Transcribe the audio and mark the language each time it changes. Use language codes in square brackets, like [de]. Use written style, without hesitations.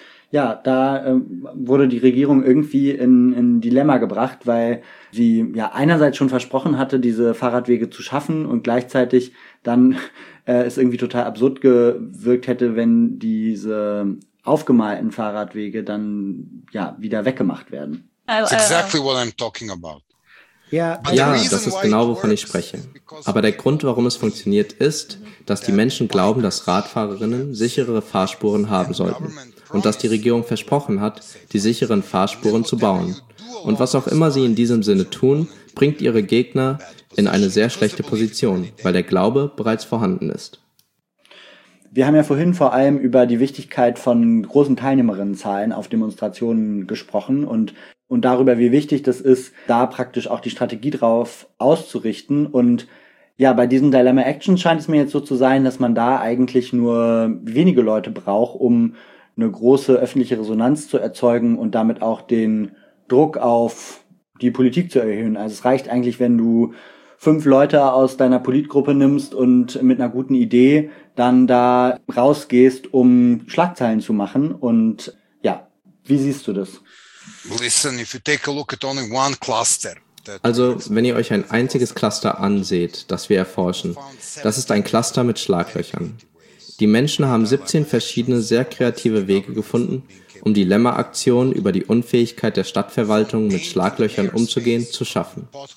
[de] Ja, da wurde die Regierung irgendwie in ein Dilemma gebracht, weil sie ja einerseits schon versprochen hatte, diese Fahrradwege zu schaffen und gleichzeitig dann es irgendwie total absurd gewirkt hätte, wenn diese aufgemalten Fahrradwege dann ja wieder weggemacht werden. [en] Exactly what I'm talking about. [de] Ja, das ist genau, wovon ich spreche. Aber der Grund, warum es funktioniert, ist, dass die Menschen glauben, dass Radfahrerinnen sichere Fahrspuren haben sollten und dass die Regierung versprochen hat, die sicheren Fahrspuren zu bauen. Und was auch immer sie in diesem Sinne tun, bringt ihre Gegner in eine sehr schlechte Position, weil der Glaube bereits vorhanden ist. Wir haben ja vorhin vor allem über die Wichtigkeit von großen Teilnehmerinnenzahlen auf Demonstrationen gesprochen und darüber, wie wichtig das ist, da praktisch auch die Strategie drauf auszurichten. Und ja, bei diesen Dilemma Actions scheint es mir jetzt so zu sein, dass man da eigentlich nur wenige Leute braucht, um eine große öffentliche Resonanz zu erzeugen und damit auch den Druck auf die Politik zu erhöhen. Also es reicht eigentlich, wenn du 5 Leute aus deiner Politgruppe nimmst und mit einer guten Idee dann da rausgehst, um Schlagzeilen zu machen. Und ja, wie siehst du das? [en] Listen, if you take a look at only one cluster. [de] Also, wenn ihr euch ein einziges Cluster anseht, das wir erforschen, das ist ein Cluster mit Schlaglöchern. Die Menschen haben 17 verschiedene, sehr kreative Wege gefunden, um die Lemma-Aktion über die Unfähigkeit der Stadtverwaltung mit Schlaglöchern umzugehen zu schaffen.